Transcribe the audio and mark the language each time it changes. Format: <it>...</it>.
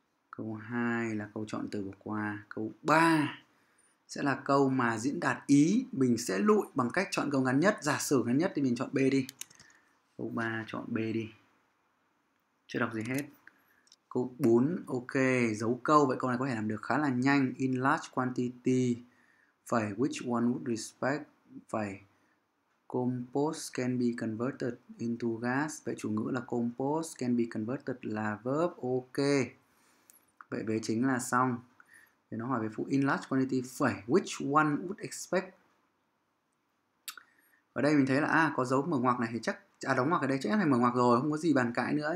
<vi>Câu 2 là câu chọn từ, bỏ qua. Câu 3 sẽ là câu mà diễn đạt ý, mình sẽ lụi bằng cách chọn câu ngắn nhất. Giả sử ngắn nhất thì mình chọn B đi. Câu 3 chọn B đi. Chưa đọc gì hết. Câu 4, ok, dấu câu. Vậy câu này có thể làm được khá là nhanh.</vi> <en>In large quantity, phải which one would respect, phải compost can be converted into gas.</en> <vi>Vậy chủ ngữ là</vi> <en>compost can be converted</en> <vi>là verb, ok. Vậy vế chính là xong. Thì nó hỏi về phụ</vi> <en>in large quantity,</en> <vi>phải</vi> <en>which one would expect.</en> <vi>Ở đây mình thấy là có dấu mở ngoặc này thì chắc, đóng ngoặc ở đây chắc là mở ngoặc rồi, không có gì bàn cãi nữa.</vi>